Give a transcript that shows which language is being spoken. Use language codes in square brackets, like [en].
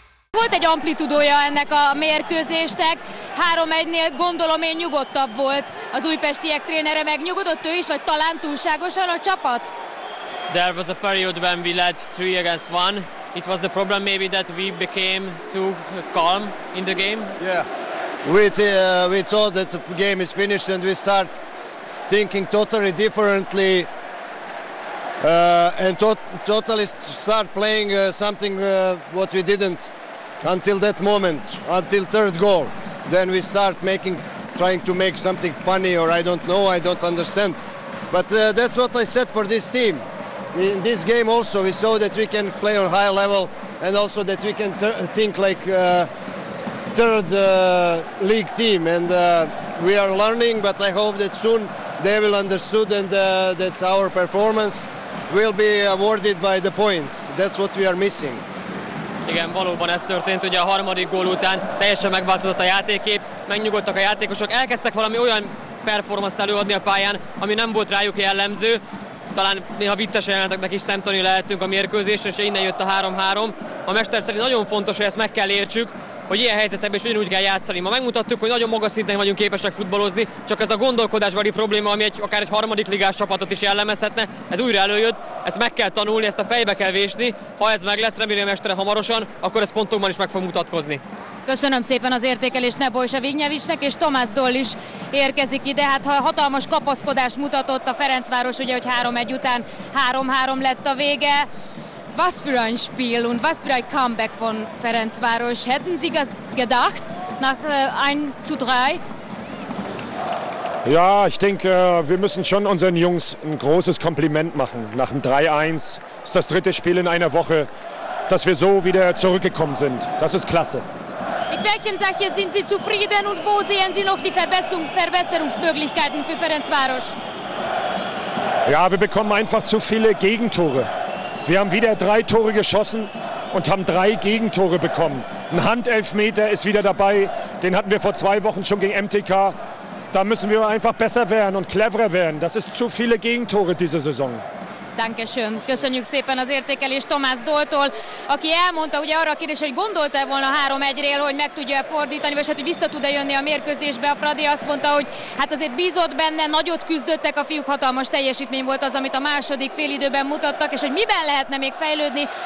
[hu] volt egy amplitudója ennek a mérkőzésnek. 3-1-nél gondolom én nyugodtabb volt az újpestiek trénere, meg nyugodott ő is, vagy talán túlságosan a csapat? [en] There was a period when we led 3-1. It was the problem maybe that we became too calm in the game. Yeah, we thought that the game is finished and we start thinking totally differently and totally start playing something what we didn't until that moment, until third goal. Then we start trying to make something funny or I don't know, I don't understand. But that's what I said for this team. In this game also we saw that we can play on high level and also that we can think like third league team and we are learning, but I hope that soon they will understand and that our performance will be awarded by the points. That's what we are missing. [hu] Igen, valóban ez történt, ugye a harmadik gól után teljesen megváltozott a játékép, megnyugodtak a játékosok, elkezdtek valami olyan performance-t előadni a pályán, ami nem volt rájuk jellemző. Talán néha vicces jeleneteknek is szemtanúi lehetünk a mérkőzésre, és innen jött a 3-3. A mester szerint nagyon fontos, hogy ezt meg kell értsük, hogy ilyen helyzetekben is ugyanúgy kell játszani. Ma megmutattuk, hogy nagyon magas szinten vagyunk képesek futballozni, csak ez a gondolkodásbeli probléma, ami akár egy harmadik ligás csapatot is jellemezhetne, ez újra előjött, ezt meg kell tanulni, ezt a fejbe kell vésni. Ha ez meg lesz, remélem mestere hamarosan, akkor ez pontokban is meg fog mutatkozni. Köszönöm szépen az értékelést Nebojsa Vignyevicsnek, és Tomás Doll is érkezik ide. Hát ha hatalmas kapaszkodás mutatott a Ferencváros, ugye, hogy 3-1 után 3-3 lett a vége. [de] Was für ein Spiel und was für ein Comeback von Ferencváros. Hätten Sie gedacht nach 1-3? Ja, ich denke, wir müssen schon unseren Jungs ein großes Kompliment machen. Nach dem 3-1 ist das dritte Spiel in einer Woche, dass wir so wieder zurückgekommen sind. Das ist klasse. Mit welchen Sachen sind Sie zufrieden und wo sehen Sie noch die Verbesserungsmöglichkeiten für Ferencváros? Ja, wir bekommen einfach zu viele Gegentore. Wir haben wieder 3 Tore geschossen und haben 3 Gegentore bekommen. Ein Handelfmeter ist wieder dabei, den hatten wir vor 2 Wochen schon gegen MTK. Da müssen wir einfach besser werden und cleverer werden. Das ist zu viele Gegentore diese Saison. Dankeschön. [hu] Köszönjük szépen az értékelést Tomás Dolltól, aki elmondta ugye arra a kérdés, hogy gondolta-e volna 3-1-ről, hogy meg tudja fordítani, vagy hát, hogy vissza tud-e jönni a mérkőzésbe. A Fradi azt mondta, hogy hát azért bízott benne, nagyot küzdöttek a fiúk, hatalmas teljesítmény volt az, amit a második félidőben mutattak, és hogy miben lehetne még fejlődni.